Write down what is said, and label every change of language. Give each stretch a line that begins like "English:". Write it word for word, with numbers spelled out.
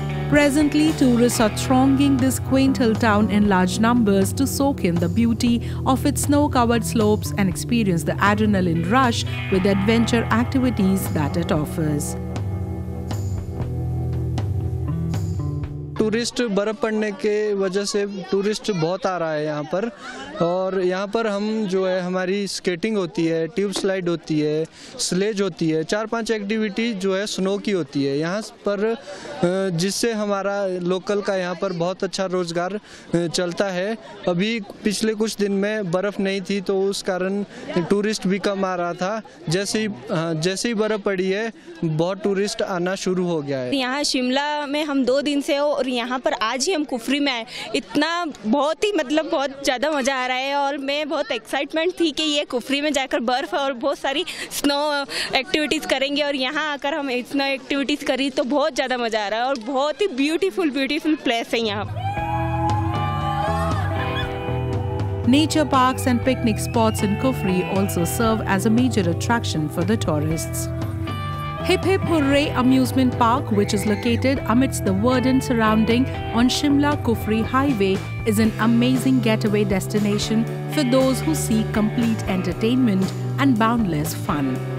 English: Presently, tourists are thronging this quaint hill town in large numbers to soak in the beauty of its snow-covered slopes and experience the adrenaline rush with adventure activities that it offers.
Hindi: Tourist बर्फ़ पड़ने के वजह से tourist बहुत आ रहा है यहाँ पर, और यहाँ पर हम जो है हमारी स्केटिंग होती है, ट्यूब स्लाइड होती है, स्लेज होती है, चार पांच एक्टिविटी जो है स्नो की होती है यहाँ पर, जिससे हमारा लोकल का यहाँ पर बहुत अच्छा रोज़गार चलता है। अभी पिछले कुछ दिन में बर्फ़ नहीं थी तो उस कारण टूरिस्ट भी कम आ रहा था, जैसे ही जैसे ही बर्फ़ पड़ी है बहुत टूरिस्ट आना शुरू हो गया है। यहाँ शिमला में हम दो दिन से और यहाँ पर आज ही हम कुफरी में आए, इतना बहुत ही मतलब बहुत ज़्यादा मज़ा आ रहा है, और मैं बहुत एक्साइटमेंट थी कि ये कुफरी में जाकर बर्फ़ और बहुत सारी स्नो एक्टिविटीज़ करेंगे, और यहाँ आकर हम स्नो एक्टिविटीज़ करी तो बहुत ज़्यादा मज़ा आ रहा है, और बहुत ही ब्यूटीफुल ब्यूटीफुल प्लेस है यहाँ पर।
English: Nature parks and picnic spots in Kufri also serve as a major attraction for the tourists. Hip Hip Hooray Amusement Park, which is located amidst the verdant surrounding on Shimla-Kufri Highway, is an amazing getaway destination for those who seek complete entertainment and boundless fun.